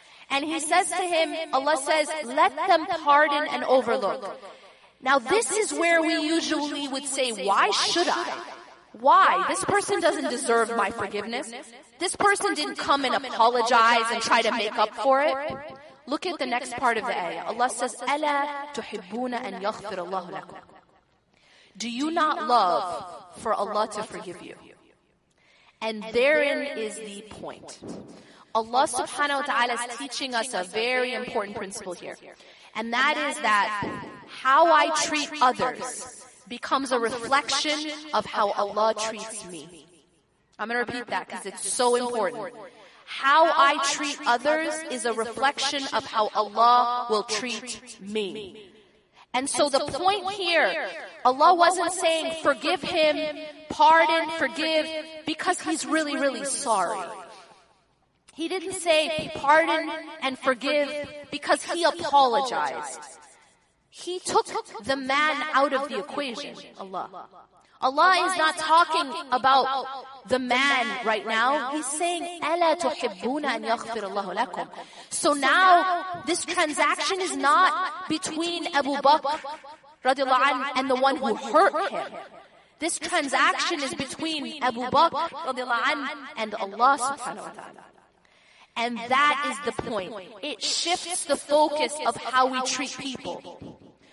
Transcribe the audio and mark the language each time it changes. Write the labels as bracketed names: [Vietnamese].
[English] And he says to him, Allah says, let them pardon and overlook. Now this is where we usually would say, why should I? Why? This person doesn't deserve my forgiveness. This person didn't come and apologize and try to make up for it. Look at the next part of the ayah. Allah says, [Arabic] أَلَا تُحِبُّونَ أَنْ يَغْفِرَ اللَّهُ لَكُمْ. [English] Do you not love for Allah to forgive you? And therein is the point. Allah subhanahu wa ta'ala is teaching us a very important principle here. And that is that how I treat others becomes a reflection of how Allah treats me. I'm going to repeat that because it's so important. How I treat others is a reflection of how Allah will treat me. And so the point here, Allah wasn't saying forgive him, pardon, forgive, because he's really, really sorry. He didn't say pardon and forgive because he apologized. He took the man out of the equation, Allah. Allah is not talking about the man right now. He's saying, [Arabic] أَلَا تُحِبُّونَ أَنْ يَغْفِرَ اللَّهُ لَكُمْ. [English] So now, this transaction is not between Abu Bakr radiallahu anhu and the one who hurt him. This transaction is between Abu Bakr radiallahu anhu and Allah subhanahu wa ta'ala. And that is the point. It shifts the focus of how we treat people.